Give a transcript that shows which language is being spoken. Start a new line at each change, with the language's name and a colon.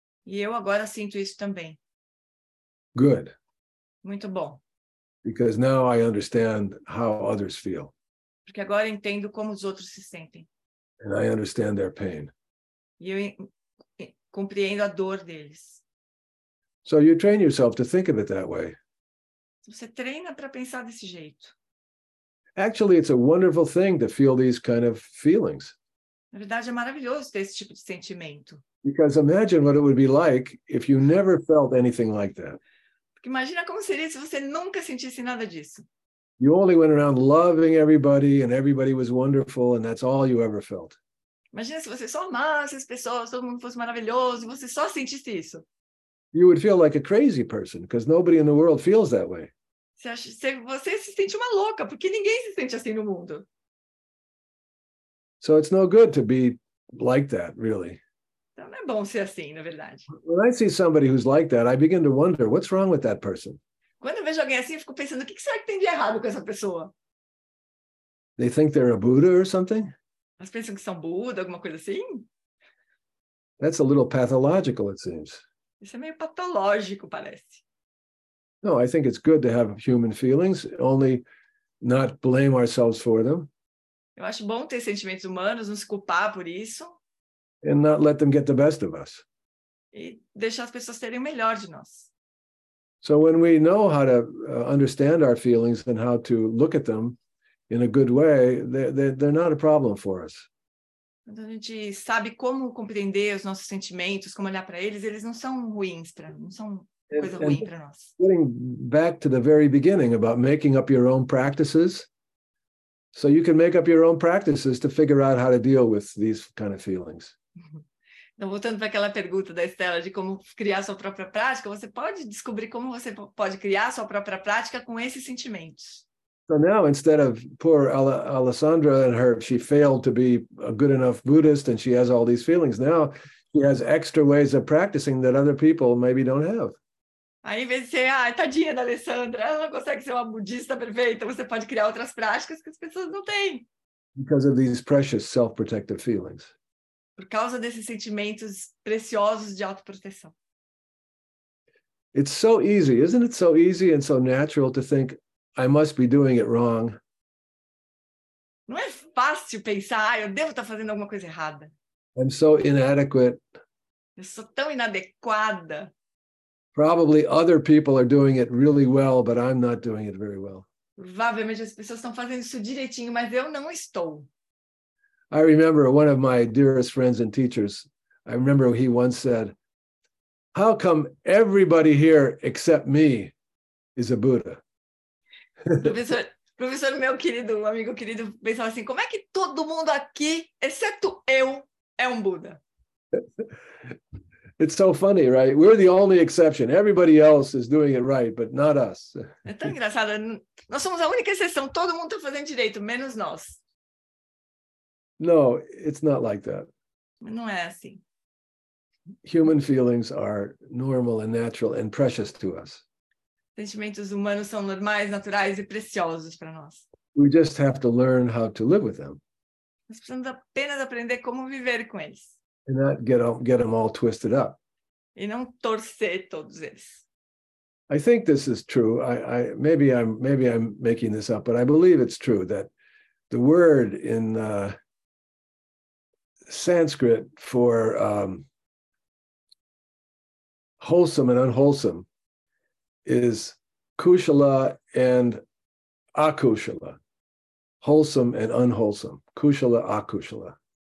Portuguese: E eu agora sinto isso também.
English: Good.
Portuguese: Muito bom.
English: Because now I understand how others feel.
Portuguese: Porque agora entendo como os outros se sentem.
English: And I understand their pain.
Portuguese: E eu compreendo a dor deles.
English: So you train yourself to think of it that way.
Portuguese: Você treina para pensar desse jeito.
English: Actually, it's a wonderful thing to feel these kind of feelings.
Portuguese: Na verdade, é maravilhoso ter esse tipo de sentimento.
English: Because imagine what it would be like if you never felt anything like that.
Portuguese: Porque imagina como seria se você nunca sentisse nada disso.
English: You only went around loving everybody and everybody was wonderful and that's all you ever felt.
Portuguese: Imagina se você só amasse as pessoas, todo mundo fosse maravilhoso e você só sentisse isso.
English: You would feel like a crazy person because nobody in the world feels that way.
Portuguese: Você se sente uma louca porque ninguém se sente assim no mundo.
English: So it's no good to be like that, really.
Portuguese: Então não é bom ser assim, na verdade.
English: When I see somebody who's like that, I begin to wonder, what's wrong with that person?
Portuguese: Quando eu vejo alguém assim, eu fico pensando, o que será que tem de errado com essa pessoa?
English: They think they're a Buddha or something?
Portuguese: Elas pensam que são Buda, alguma coisa assim?
English: That's a little pathological, it seems.
Portuguese: Isso é meio patológico, parece.
English: No, I think it's good to have human feelings, only not blame ourselves for them.
Portuguese: Eu acho bom ter sentimentos humanos, não se culpar por isso.
English: And not let them get the best of us.
Portuguese: E deixar as pessoas terem o melhor de nós.
English: So when we know how to understand our feelings and how to look at them in a good way, they're not a problem for us.
Portuguese: Quando a gente sabe como compreender os nossos sentimentos, como olhar para eles, eles não são ruins para nós, não são coisa ruim para nós.
English: Getting back to the very beginning about making up your own practices, so you can make up your own practices to figure out how to deal with these kind of feelings.
Portuguese: Então, voltando para aquela pergunta da Estela de como criar sua própria prática, você pode descobrir como você pode criar sua própria prática com esses sentimentos.
English: So now, instead of poor Alessandra and her, she failed to be a good enough Buddhist and she has all these feelings. Now, she has extra ways of practicing that other people maybe don't have.
Portuguese: Aí, em vez de ser, ah, tadinha da Alessandra, ela não consegue ser uma budista perfeita, você pode criar outras práticas que as pessoas não têm.
English: Because of these precious self-protective feelings.
Portuguese: Por causa desses sentimentos preciosos de autoproteção.
English: It's so easy, isn't it so easy and so natural to think, I must be doing it wrong.
Portuguese: Não é fácil pensar, ah, eu devo estar fazendo alguma coisa errada.
English: I'm so inadequate.
Portuguese: Eu sou tão inadequada.
English: Probably other people are doing it really well, but I'm not doing it very well.
Portuguese: Vá ver, mas as pessoas estão fazendo isso direitinho, mas eu não estou.
English: I remember one of my dearest friends and teachers, I remember he once said, how come everybody here except me is a Buddha?
Portuguese: Professor meu querido, um amigo querido, pensava assim, como é que todo mundo aqui, exceto eu, é Buddha?
English: It's so funny, right? We're the only exception. Everybody else is doing it right, but not us.
Portuguese: É tão engraçado. Nós somos a única exceção. Todo mundo está fazendo direito, menos nós.
English: No, it's not like that.
Portuguese: Não é assim.
English: Human feelings are normal and natural and precious to us.
Portuguese: Sentimentos humanos são normais, naturais e preciosos para nós.
English: We just have to learn how to live with them.
Portuguese: Nós precisamos apenas aprender como viver com eles.
English: And not get them all twisted up.
Portuguese: E não torcer todos eles.
English: I think this is true. I maybe I'm making this up, but I believe it's true that the word in Sanskrit for wholesome and unwholesome is kushala and akushala, wholesome and unwholesome, kushala, akushala.